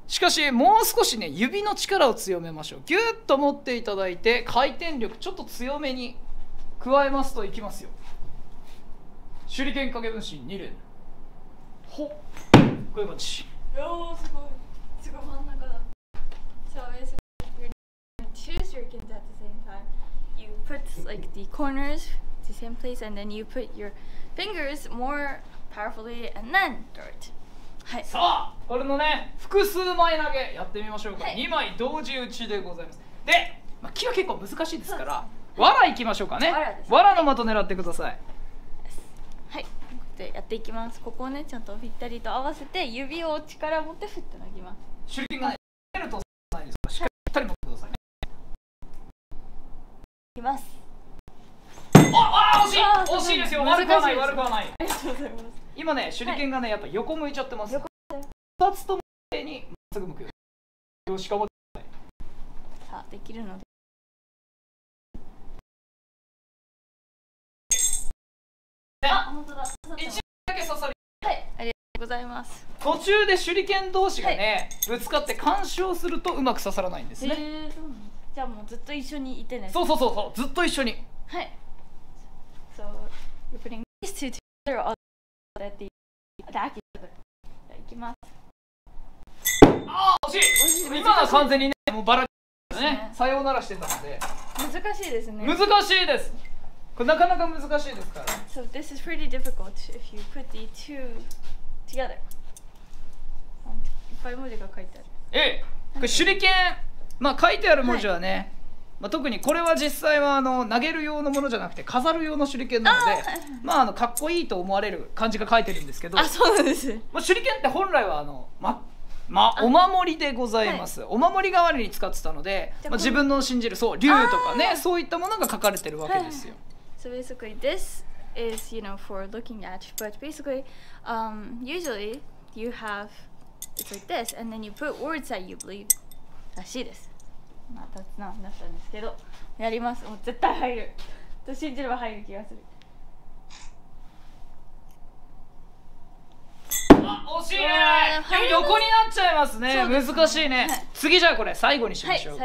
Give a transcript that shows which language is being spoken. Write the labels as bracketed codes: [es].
[ja] しかしもう少しね、指の力を強めましょう。ギュッと持っていただいて、回転力ちょっと強めに加えますといきますよ。手裏剣影分身2連、ほっ、こういう感じ。おお、すごい、すごい、真ん中だ。 [en] So basically two手裏剣at the same time. You put like the cornersthe same place and then you put your fingers more powerfully and then throw it、はい、 [ja] さあこれのね、複数枚投げやってみましょうか、はい、2枚同時打ちでございます。で、まあ、木は結構難しいですから、す、はい、藁いきましょうかね。藁の的狙ってください。はい、はい、でやっていきます。ここをね、ちゃんとぴったりと合わせて指を力を持って振って投げます。手裏剣が投げるとないですか。しっかりぴったり持ってくださいね、はい、いきます。ああ、惜しい。あ、惜しいですよ。悪くはない、悪くはない。ありがとうございます。今ね、手裏剣がね、はい、やっぱ横向いちゃってます。横向いてます。2つとも、にまっすぐ向くよ。よし、頑張ってください。さあ、できるので。あ、本当だ。 1枚だけ刺さり。はい、ありがとうございます。途中で手裏剣同士がね、はい、ぶつかって干渉するとうまく刺さらないんですね。じゃあもうずっと一緒にいてね。そうそうそうそう、ずっと一緒に。はい。 [en] So you're putting these two together so that they attack each other. [ja] じゃあ行きます。あー、惜しい。今のは完全にね、もうバラッキーですね。さようならしてたので。難しいですね。難しいです。これなかなか難しいですから。 [en] So this is pretty difficult if you put the two together. [ja] いっぱい文字が書いてある。ええ、これ手裏剣、まあ書いてある文字はね、はい、まあ、特にこれは実際はあの投げる用のものじゃなくて飾る用の手裏剣なので、まああのかっこいいと思われる感じが書いてるんですけど。あ、そうなんです。まあ、手裏剣って本来はあの、ままあ、お守りでございます。はい、お守り代わりに使ってたので、まあ、自分の信じる、そう、竜とかね、そういったものが書かれてるわけですよ。 [en] はい、So basically this is, you know, for looking at, but basically, usually you have it's like this and then you put words that you believe [ja] らしいです。まあ、立つなになったんですけど、やります。もう絶対入る。と信じれば入る気がする。あ、惜しい。でも横になっちゃいますね。難しいね。次じゃあこれ最後にしましょうか。